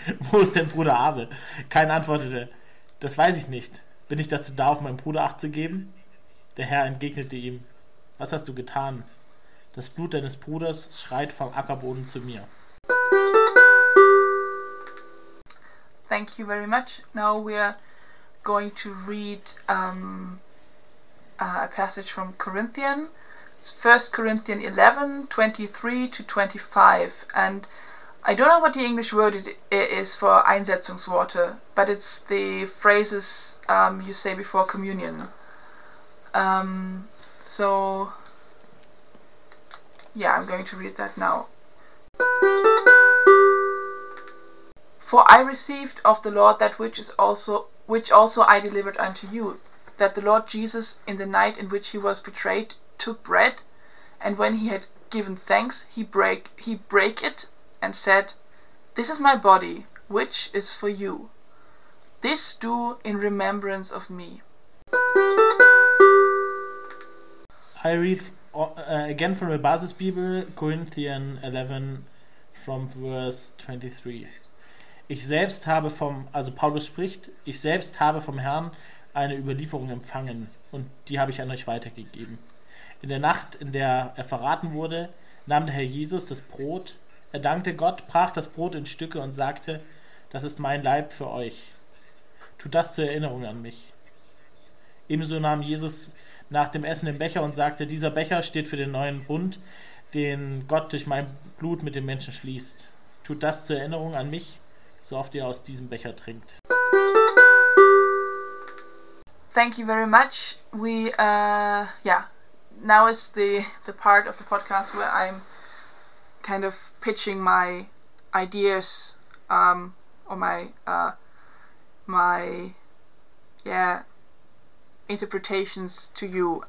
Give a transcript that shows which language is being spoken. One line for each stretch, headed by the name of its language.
German: "Wo ist dein Bruder Abel?" Kain antwortete, "Das weiß ich nicht. Bin ich dazu da, auf meinen Bruder Acht zu geben?" Der Herr entgegnete ihm, "Was hast du getan? Das Blut deines Bruders schreit vom Ackerboden zu mir."
English: Thank you very much. Now we are going to read a passage from Corinthians. 1 Corinthians 11, 23-25. And I don't know what the English word it is for Einsetzungsworte, but it's the phrases you say before communion. I'm going to read that now. "For I received of the Lord that which also I delivered unto you, that the Lord Jesus, in the night in which he was betrayed, took bread, and when he had given thanks, he brake it, and said, 'This is my body, which is for you. This do in remembrance of me.'" I read again from the Basisbibel, Corinthians 11, from verse 23.
German: Ich selbst habe vom Herrn eine Überlieferung empfangen, und die habe ich an euch weitergegeben. In der Nacht, in der er verraten wurde, nahm der Herr Jesus das Brot, Er dankte Gott, brach das Brot in Stücke und sagte, das ist mein Leib für euch. Tut das zur Erinnerung an mich. Ebenso nahm Jesus nach dem Essen den Becher und sagte, dieser Becher steht für den neuen Bund, den Gott durch mein Blut mit den Menschen schließt. Tut das zur Erinnerung an mich, so oft ihr aus diesem Becher trinkt.
English: Thank you very much. We, yeah, now is the part of the podcast where I'm kind of pitching my ideas, or my, my, yeah, interpretations to you.